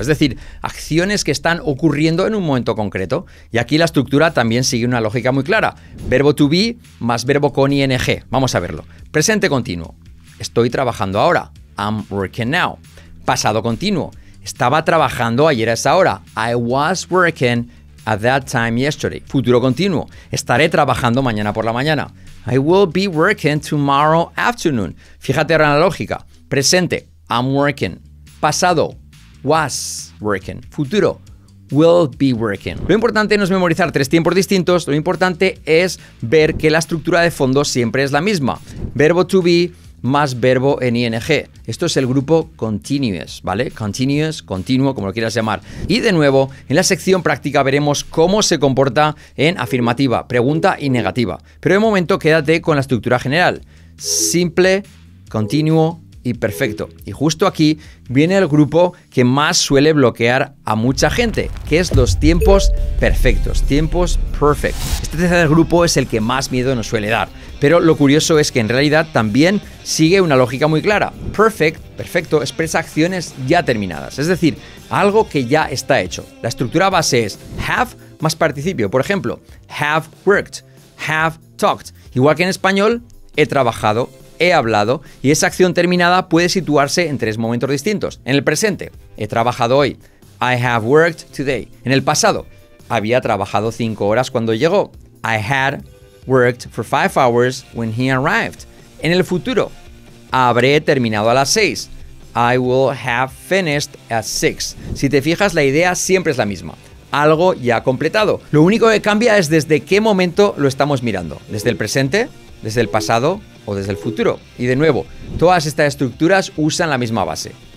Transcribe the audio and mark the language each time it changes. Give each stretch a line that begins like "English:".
Spanish: Es decir, acciones que están ocurriendo en un momento concreto. Y aquí la estructura también sigue una lógica muy clara. Verbo to be más verbo con ing. Vamos a verlo. Presente continuo. Estoy trabajando ahora.
English: I'm working now.
Spanish: Pasado continuo. Estaba trabajando ayer a esa hora.
English: I was working at that time yesterday.
Spanish: Futuro continuo. Estaré trabajando mañana por la mañana.
English: I will be working tomorrow afternoon.
Spanish: Fíjate ahora en la lógica. Presente, I'm working. Pasado, was working. Futuro, will be working. Lo importante no es memorizar tres tiempos distintos, lo importante es ver que la estructura de fondo siempre es la misma. Verbo to be más verbo en ing. Esto es el grupo continuous, ¿vale? Continuous, continuo, como lo quieras llamar. Y de nuevo, en la sección práctica veremos cómo se comporta en afirmativa, pregunta y negativa. Pero de momento quédate con la estructura general. Simple, continuo y perfecto. Y justo aquí viene el grupo que más suele bloquear a mucha gente, que es los tiempos perfectos, tiempos perfect. Este tercer grupo es el que más miedo nos suele dar. Pero lo curioso es que en realidad también sigue una lógica muy clara. Perfect, perfecto, expresa acciones ya terminadas. Es decir, algo que ya está hecho. La estructura base es have más participio. Por ejemplo, have worked, have talked. Igual que en español, he trabajado, he hablado. Y esa acción terminada puede situarse en tres momentos distintos. En el presente, He trabajado hoy.
English: I have worked today.
Spanish: En el pasado, había trabajado 5 horas cuando llegó.
English: I had worked for 5 hours when he arrived.
Spanish: En el futuro, habré terminado a las 6.
English: I will have finished at 6.
Spanish: Si te fijas, la idea siempre es la misma. Algo ya completado. Lo único que cambia es desde qué momento lo estamos mirando. ¿Desde el presente? ¿Desde el pasado? ¿O desde el futuro? Y de nuevo, todas estas estructuras usan la misma base.